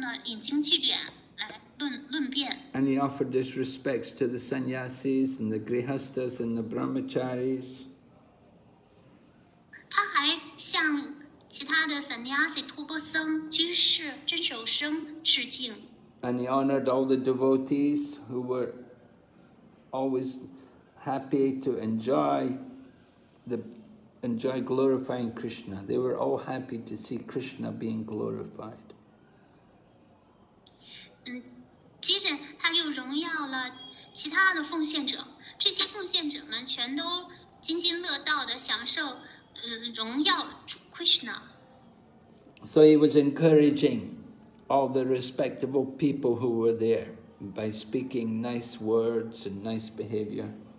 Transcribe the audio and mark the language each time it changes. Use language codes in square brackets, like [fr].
[zh] 在场的这些其他的婆罗门呢，全都精于从伟达经、往事书和其他的经典当中呢，引经据典来论辩。 [en] And he offered his respects to the sannyasis and the grihastas and the brahmacharis. [zh] 他还向其他的 sannyasi 托钵僧、居士、镇守生致敬。 [en] And he honored all the devotees who were always happy to enjoy glorifying Krishna. They were all happy to see Krishna being glorified. [zh] 接着他又荣耀了其他的奉献者，这些奉献者们全都津津乐道的享受荣耀Krishna。 [en] So he was encouraging all the respectable people who were there by speaking nice words and nice behavior.